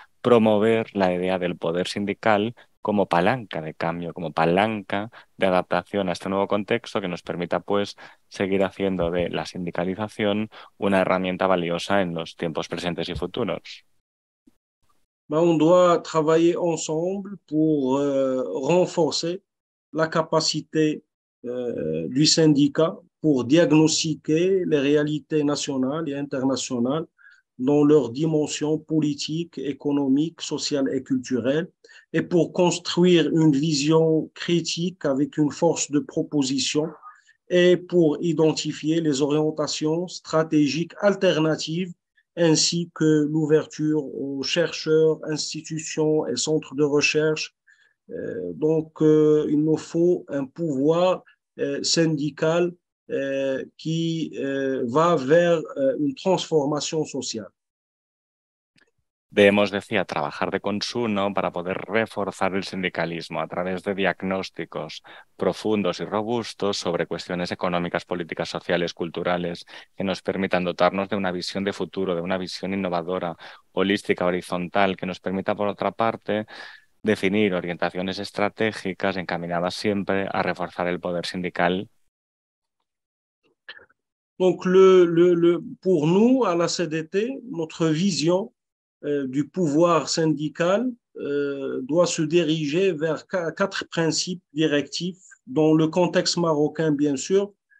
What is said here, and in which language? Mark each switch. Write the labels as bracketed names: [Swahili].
[Spanish] promover la idea del poder sindical como palanca de cambio, como palanca de adaptación a este nuevo contexto que nos permita pues seguir haciendo de la sindicalización una herramienta valiosa en los tiempos presentes y futuros. [French] On doit travailler ensemble pour renforcer la capacité du syndicat pour diagnostiquer les réalités nationales et internationales dans leurs dimensions politiques, économiques, sociales et culturelles, et pour construire une vision critique avec une force de proposition et pour identifier les orientations stratégiques alternatives ainsi que l'ouverture aux chercheurs, institutions et centres de recherche. Donc, il nous faut un pouvoir syndical qui va vers une transformation sociale. [Spanish] Debemos, decía, trabajar de consuno para poder reforzar el sindicalismo a través de diagnósticos profundos y robustos sobre cuestiones económicas, políticas, sociales, culturales, que nos permitan dotarnos de una visión de futuro, de una visión innovadora, holística, horizontal, que nos permita, por otra parte, definir orientaciones estratégicas encaminadas siempre a reforzar el poder sindical. [French] Donc le pour nous, à la CDT, notre vision du pouvoir syndical doit se diriger vers quatre principes directifs dans le contexte marocain, bien sûr.